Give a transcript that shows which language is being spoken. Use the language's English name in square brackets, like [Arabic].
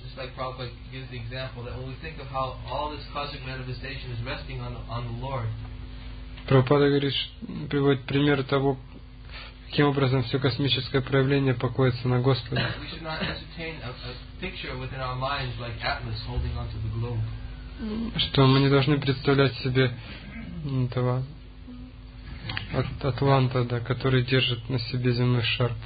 [English] Like Prabhupada gives the example that when we think of how all this cosmic manifestation is resting on the Lord. [Russian] Prabhupada приводит пример того, каким образом все космическое проявление покоится на Господе. [English] We should not entertain a picture within our minds like Atlas holding onto the globe. [Russian] Что мы не должны представлять себе этого Атланта, да, который держит на себе земной шар.